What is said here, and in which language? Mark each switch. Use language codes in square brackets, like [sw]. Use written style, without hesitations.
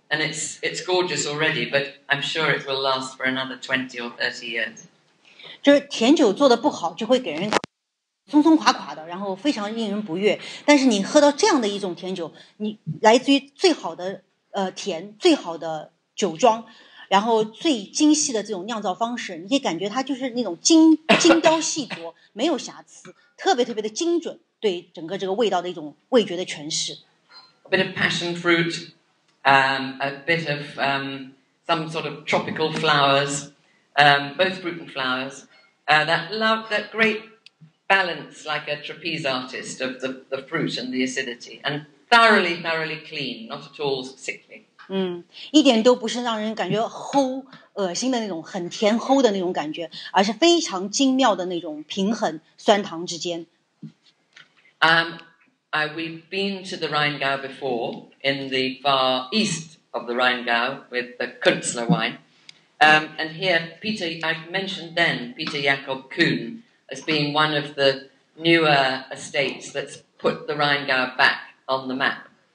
[en] And it's gorgeous already, but I'm sure it will last for another 20 or 30 years. [zh] 就是甜酒做得不好就会给人松松垮垮的，然后非常令人不悦。但是你喝到这样的一种甜酒，你来自于最好的甜，最好的酒庄，然后最精细的这种酿造方式，你可以感觉它就是那种精雕细琢，没有瑕疵，特别特别的精准，对整个这个味道的一种味觉的诠释。 [en] A bit of passion fruit, a bit of some sort of tropical flowers, both fruit and flowers, that love that great. Balance like a trapeze artist of the fruit and the acidity, and thoroughly, thoroughly clean, not at all sickly. [zh] 一点都不是让人感觉齁、恶心的那种很甜齁的那种感觉，而是非常精妙的那种平衡酸糖之间。 [en] We've been to the Rheingau before, in the far east of the Rheingau, with the Künzler wine, and here Peter, I've mentioned then Peter Jakob Kuhn. As being one of the newer estates that's put the Rheingau back on the map.